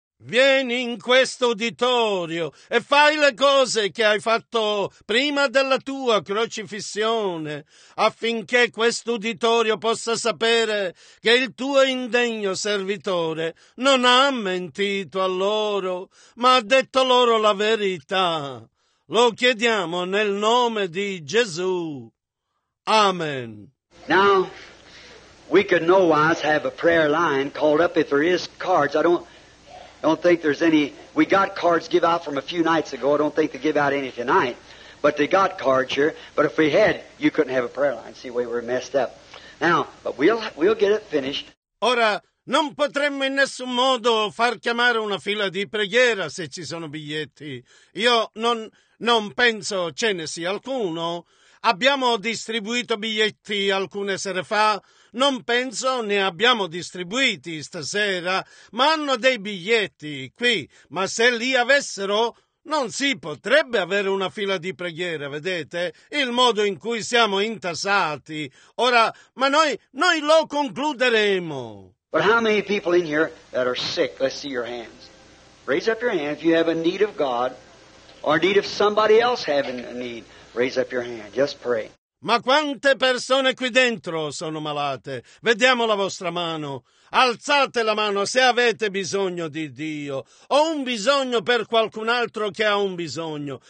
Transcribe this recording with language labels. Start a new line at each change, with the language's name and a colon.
Italian: Vieni in questo uditorio e fai le cose che hai fatto prima della tua crocifissione, affinché questo uditorio possa sapere che il tuo indegno servitore non ha mentito a loro, ma ha detto loro la verità. Lo chiediamo nel nome di Gesù. Amen.
English: Now, we could no wise have a prayer line called up if there is cards. I don't think there's any. We got cards give out from a few nights ago. I don't think they give out any tonight. But they got cards here. But if we had, you couldn't have a prayer line. See, we were messed up. Now, but we'll get it finished.
Italian: Ora, non potremmo in nessun modo far chiamare una fila di preghiera se ci sono biglietti. Io non penso ce ne sia alcuno. Abbiamo distribuito biglietti alcune sere fa. Non penso ne abbiamo distribuiti stasera, ma hanno dei biglietti qui. Ma se li avessero, non si potrebbe avere una fila di preghiera, vedete? Il modo in cui siamo intasati. Ora, ma noi lo concluderemo.
English: But how many people in here that are sick? Let's see your hands. Raise up your hand if you have a need of God or need of somebody else having a need. Raise up your hand. Just pray.
Italian: Ma quante persone qui dentro sono malate? Vediamo la vostra mano. Alzate la mano se avete bisogno di Dio o un bisogno per qualcun altro che ha un bisogno.